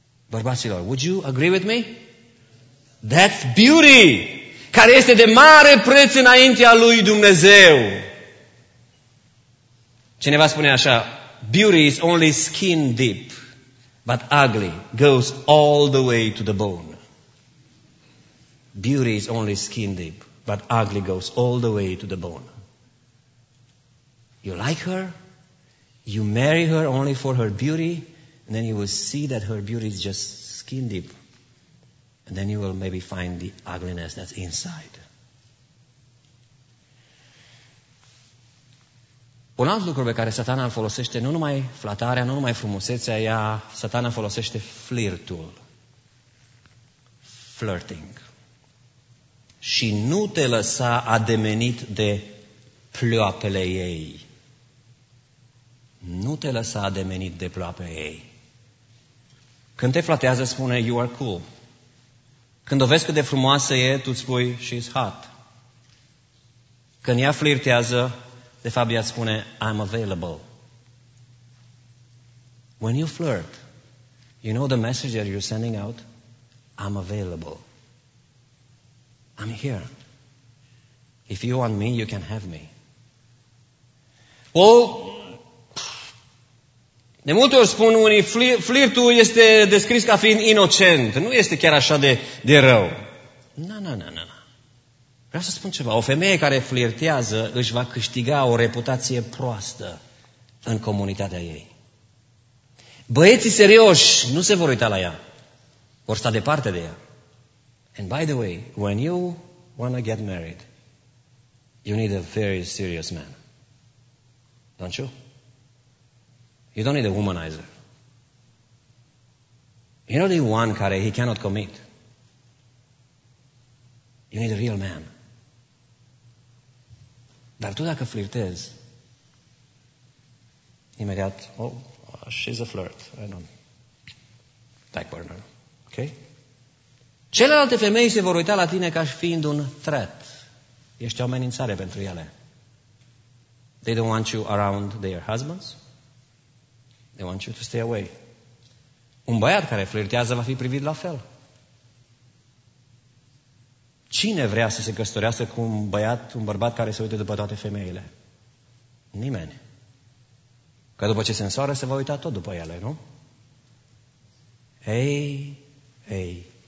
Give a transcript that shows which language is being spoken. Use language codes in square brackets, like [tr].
[ro] Bărbaților, [en] would you agree with me? That's beauty! [ro] Care este de mare preț înaintea lui Dumnezeu. Cineva spune așa, [en] beauty is only skin deep, but ugly goes all the way to the bone. Beauty is only skin deep, but ugly goes all the way to the bone. You like her? You marry her only for her beauty? And then you will see that her beauty is just skin deep. And then you will maybe find the ugliness that's inside. [ro] Un alt lucru pe care Satana îl folosește, nu numai flatarea, nu numai frumusețea, ea, Satana folosește flirtul. Flirting. Și nu te lăsa ademenit de ploapele ei. Nu te lăsa ademenit de ploapele ei. Când te flatează, spune, [en] you are cool. [ro] Când o vezi cât de frumoasă e, tu îți spui, [en] she's hot. [ro] Când ea flirtează, de fapt ea spune, [en] I'm available. When you flirt, you know the message that you're sending out? I'm available. I'm here. If you want me, you can have me. [ro] Well, de multe ori spun unii, flirtul este descris ca fiind inocent. Nu este chiar așa de rău. Nu. Vreau să spun ceva. O femeie care flirtează își va câștiga o reputație proastă în comunitatea ei. Băieții serioși nu se vor uita la ea. Vor sta departe de ea. [en] And by the way, when you want to get married, you need a very serious man. Don't you? You don't need a womanizer. You don't need one care he cannot commit. You need a real man. [ro] Dar tu dacă flirtezi, imediat, [en] oh, she's a flirt. I don't. Back burner. Okay? [ro] Celelalte femei se vor uita la tine ca și fiind un threat. Ești o amenințare pentru ele. [en] They don't want you around their husbands. They want you to stay away. [ro] Un băiat care flirtează va fi privit la fel. Cine vrea să se căsătorească cu un băiat, un bărbat care se uită după toate femeile? Nimeni. Că după ce se însoară, se va uita tot după ele, nu? Ei.